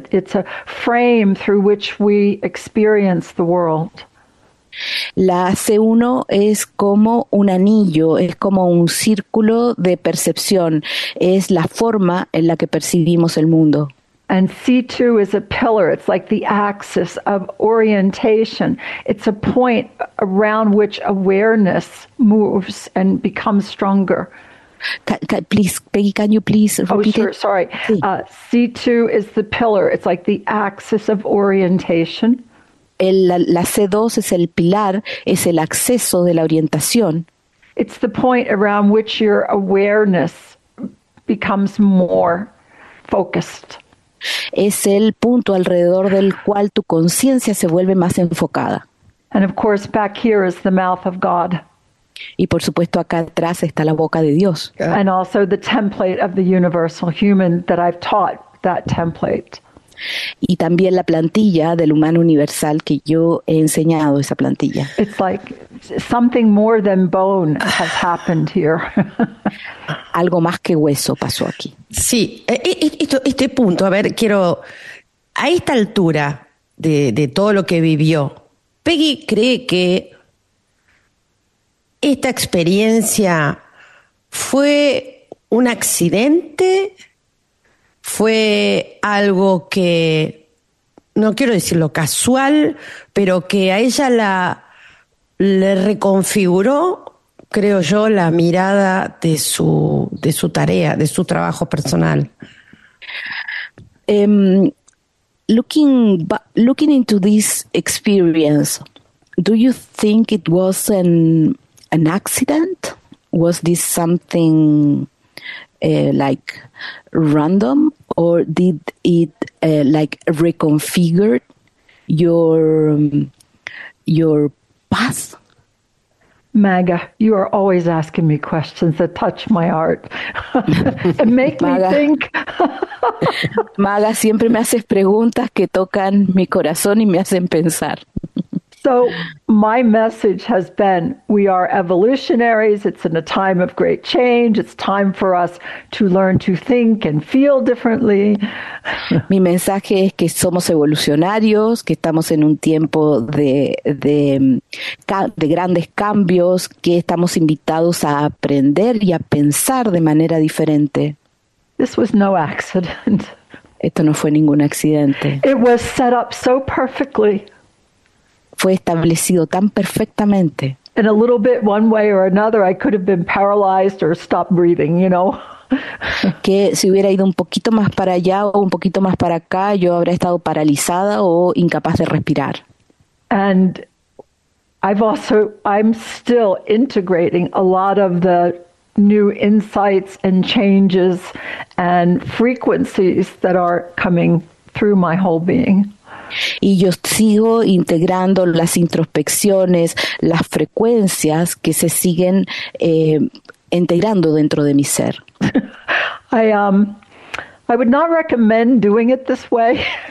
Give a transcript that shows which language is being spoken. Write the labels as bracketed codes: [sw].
[en] It's a frame through which we experience the world. [es] La C1 es como un anillo, es como un círculo de percepción. Es la forma en la que percibimos el mundo. [en] And C2 is a pillar. It's like the axis of orientation. It's a point around which awareness moves and becomes stronger. Please, Peggy, can you please repeat it? Oh, sure, sorry. C2 is the pillar. It's like the axis of orientation. [es] La C2 es el pilar, es el acceso de la orientación. [en] It's the point around which your awareness becomes more focused. [es] Es el punto alrededor del cual tu conciencia se vuelve más enfocada. [en] And of course, back here is the mouth of God. [es] Y por supuesto, acá atrás está la boca de Dios. [en] And also the template of the universal human that I've taught, that template. [es] Y también la plantilla del humano universal que yo he enseñado, esa plantilla. [en] It's like something more than bone has happened here. [es] Algo más que hueso pasó aquí. Sí, este punto, a ver, quiero, a esta altura de todo lo que vivió, Peggy cree que esta experiencia fue un accidente. ¿Fue algo que, no quiero decirlo casual, pero que a ella le reconfiguró, creo yo, la mirada de su tarea, de su trabajo personal? [en] Looking into this experience, do you think it was an accident? Was this something like random? or did it like reconfigure your past? Maga, you are always asking me questions that touch my heart and make me think. [es] Maga, siempre me haces preguntas que tocan mi corazón y me hacen pensar. [en] So my message has been, we are evolutionaries. It's in a time of great change. It's time for us to learn to think and feel differently. [es] Mi mensaje es que somos evolucionarios, que estamos en un tiempo de grandes cambios, que estamos invitados a aprender y a pensar de manera diferente. [en] This was no accident. [es] Esto no fue ningún accidente. [en] It was set up so perfectly. [es] Fue establecido tan perfectamente. [en] In a little bit, one way or another, I could have been paralyzed or stopped breathing, you know. [es] Que si hubiera ido un poquito más para allá o un poquito más para acá, yo habría estado paralizada o incapaz de respirar. [en] And I'm still integrating a lot of the new insights and changes and frequencies that are coming through my whole being. [es] Y yo sigo integrando las introspecciones, las frecuencias que se siguen integrando dentro de mi ser. [en] I would not recommend doing it this way.